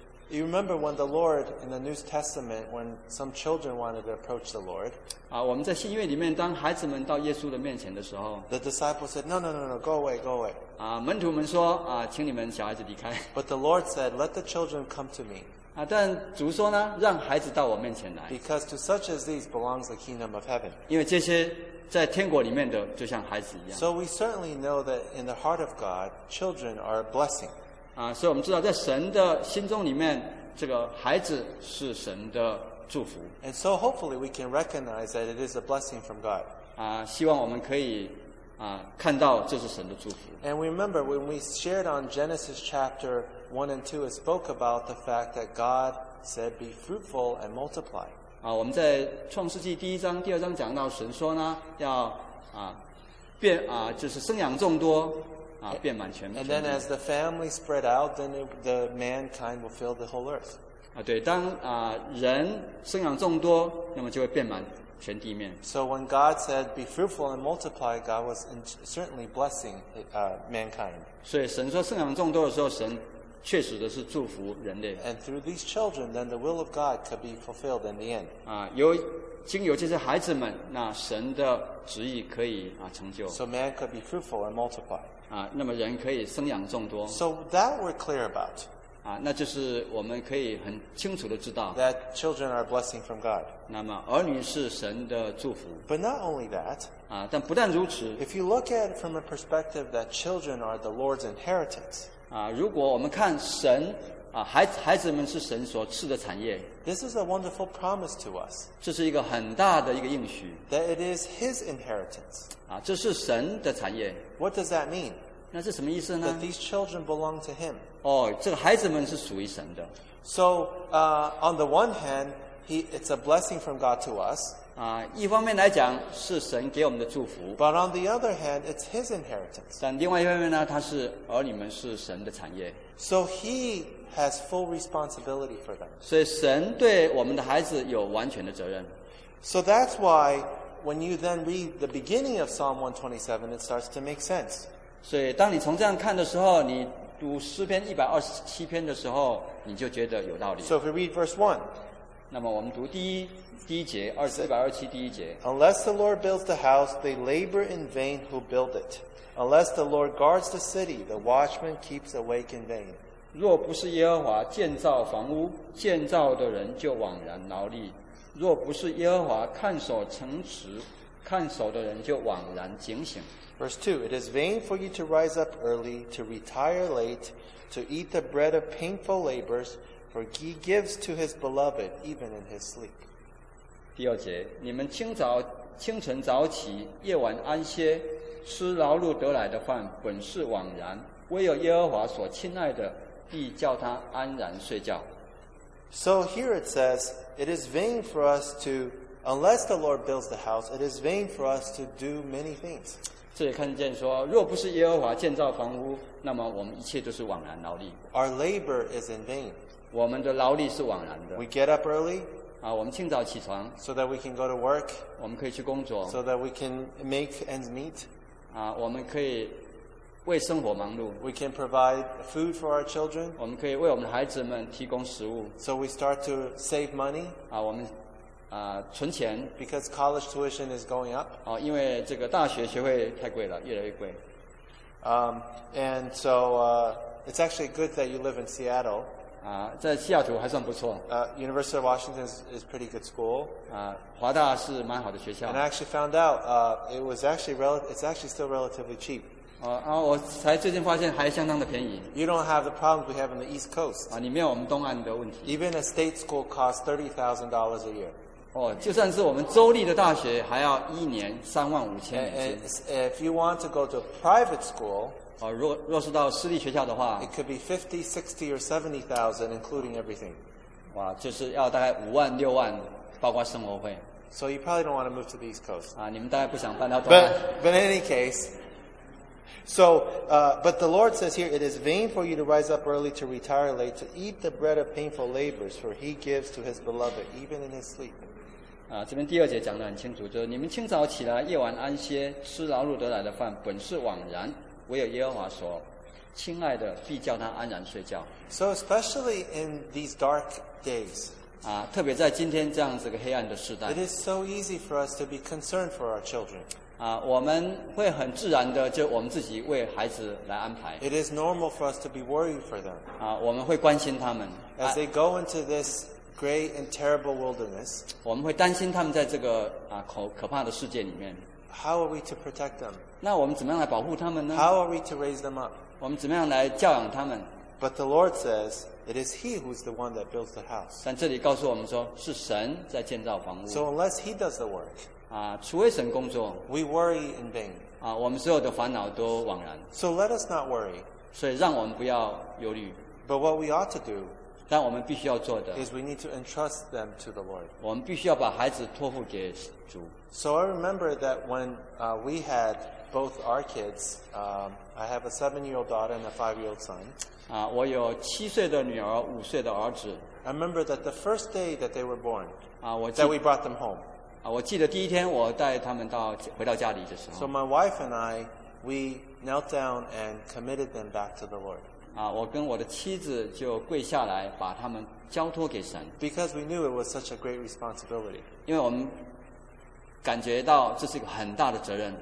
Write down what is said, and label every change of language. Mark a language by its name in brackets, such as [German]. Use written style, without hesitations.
[English] You remember when the Lord, in the New Testament, when some children wanted to approach the Lord, [Chinese] 我们在新约里面当孩子们到耶稣的面前的时候 [English] the disciples said, no, no, no, no, go away, go away. [Chinese] 门徒们说请你们小孩子离开。 [English] But the Lord said, let the children come to me. [Chinese] 但主说呢让孩子到我面前来。 [English] Because to such as these belongs the kingdom of heaven. [Chinese] 因为这些在天国里面的就像孩子一样。 [English] So we certainly know that in the heart of God, children are a blessing. [Chinese] 所以我们知道在神的心中里面这个孩子是神的祝福。 [English] And so hopefully we can recognize that it is a blessing from God. [Chinese] 希望我们可以看到这是神的祝福。 [English] And we remember when we shared on Genesis chapter 1 and 2, it spoke about the fact that God said, be fruitful and multiply. [Chinese] 我们在创世纪第一章、第二章讲到神说呢，要变就是生养众多。遍满全地。 [English] And then as the family spread out, then the mankind will fill the whole earth. [Chinese] 对，当人生养众多，那么就会遍满全地面。 [English] So when God said, "Be fruitful and multiply," God was certainly blessing mankind. [Chinese] 所以神说生养众多的时候，神确实的是祝福人类。 [English] And through these children, then the will of God could be fulfilled in the end. [Chinese] 经由这些孩子们，那神的旨意可以成就。 [English] So man could be fruitful and multiply. [Chinese] 那么人可以生养众多。 [English] So that we're clear about. [Chinese] 那就是我们可以很清楚的知道。 [English] That children are a blessing from God. [Chinese] 那么儿女是神的祝福。 [English] But not only that. [Chinese] 但不但如此。 [English] If you look at it from a perspective that children are the Lord's inheritance. [Chinese] 如果我们看神孩子们是神所赐的产业。 [English] This is a wonderful promise to us. [Chinese] 这是一个很大的一个应许。 [English] That it is His inheritance. [Chinese] 这是神的产业。 [English] What does that mean? [Chinese] 那是什么意思呢？ [English] That these children belong to Him. [Chinese] 这个孩子们是属于神的。 [English] So, on the one hand, it's a blessing from God to us. [Chinese] 一方面来讲是神给我们的祝福。 [English] But on the other hand, it's His inheritance. [Chinese] 但另外一方面呢，他是儿女们是神的产业。 [English] So He has full responsibility for them. [Chinese] 所以神对我们的孩子有完全的责任。 [English] So that's why when you then read the beginning of Psalm 127, it starts to make sense. [Chinese] 所以当你从这样看的时候，你读诗篇127篇的时候，你就觉得有道理。 [English] So if we read verse 1, [Chinese] 那么我们读第一节127第一节。 [English] Unless the Lord builds the house, they labor in vain who build it. Unless the Lord guards the city, the watchman keeps awake in vain. [Chinese] 若不是耶和华建造房屋，建造的人就枉然劳力；若不是耶和华看守城池，看守的人就枉然警醒。 [English] Verse 2, it is vain for you to rise up early, to retire late, to eat the bread of painful labors, for he gives to his beloved even in his sleep. [Chinese] 第二节，你们清晨早起，夜晚安歇，吃劳碌得来的饭，本是枉然，唯有耶和华所亲爱的必叫他安然睡觉。 [English] So here it says, it is vain for us to Unless the Lord builds the house, it is vain for us to do many things. [Chinese] 这里看见说，若不是耶和华建造房屋，那么我们一切都是枉然劳力。 [English] Our labor is in vain. [Chinese] 我们的劳力是枉然的。 [English] We get up early. [Chinese] 啊，我们清早起床。 [English] So that we can go to work. [Chinese] 我们可以去工作。 [English] So that we can make ends meet. [Chinese] 啊，我们可以为生活忙碌。 [English] We can provide food for our children. [Chinese] 我们可以为我们的孩子们提供食物。 [English] So we start to save money. [Chinese] 啊，我们存钱。 [English] Because college tuition is going up. [Chinese] 哦，因为这个大学学费太贵了，越来越贵。 [English] And so it's actually good that you live in Seattle. [Chinese] 啊，在西雅图还算不错。 [English] University of Washington is pretty good school. [Chinese] 啊，华大是蛮好的学校。 [English] And I actually found out it's actually still relatively cheap. [Chinese] 啊，我才最近发现还相当的便宜。 [English] You don't have the problems we have on the East Coast. [Chinese] 啊，你没有我们东岸的问题。 [English] Even a state school costs $30,000 a year. [Chinese] 哦，就算是我们州立的大学，还要一年35,000美金。 [English] If you want to go to a private school, [Chinese] 哦，若是到私立学校的话 [English] ，it could be 50,000, 60,000, or 70,000, including everything. [Chinese] 哇，就是要大概56,000，包括生活费。 [English] So you probably don't want to move to the East Coast. [Chinese] 啊，你们大概不想搬到东岸。 [English] But in any case, but the Lord says here, it is vain for you to rise up early to retire late to eat the bread of painful labors, for He gives to His beloved even in His sleep. [Chinese] 啊，这边第二节讲得很清楚，就是你们清早起来，夜晚安歇，吃劳碌得来的饭，本是枉然。唯有耶和华说，亲爱的必叫他安然睡觉。 [English] So especially in these dark days. [Chinese] 啊，特别在今天这样子个黑暗的时代。 [English] It is so easy for us to be concerned for our children. [Chinese] 啊，我们会很自然的就我们自己为孩子来安排。 [English] It is normal for us to be worried for them. [Chinese] 啊，我们会关心他们。 [English] As they go into this. Great and terrible wilderness. [Chinese] 我们会担心他们在这个啊可怕的世界里面。 [English] How are we to protect them? [Chinese] 那我们怎么样来保护他们呢 [English] ？How are we to raise them up? [Chinese] 我们怎么样来教养他们 [English] ？But the Lord says it is He who is the one that builds the house. [Chinese] 但这里告诉我们说是神在建造房屋。 [English] So unless He does the work, [Chinese] 啊，除非神工作 [English] ，we worry in vain. [Chinese] 啊，我们所有的烦恼都枉然。 [English] So let us not worry. [Chinese] 所以让我们不要忧虑。 [English] But what we ought to do. [Chinese] 但我们必须要做的 [English] is we need to entrust them to the Lord. [Chinese] 我们必须要把孩子托付给主。 [English] So I remember that when we had both our kids, I have a 7-year-old daughter and a 5-year-old son. [Chinese] 啊，我有七岁的女儿，五岁的儿子。 [English] I remember that the first day that they were born, [Chinese] 啊，我 [English] that we brought them home. [Chinese] 啊，我记得第一天我带他们到回到家里的时候。 [English] So my wife and I, we knelt down and committed them back to the Lord. [Chinese] 啊，我跟我的妻子就跪下来，把他们交托给神。 [English] Because we knew it was such a great responsibility. [Chinese] 因为我们感觉到这是一个很大的责任。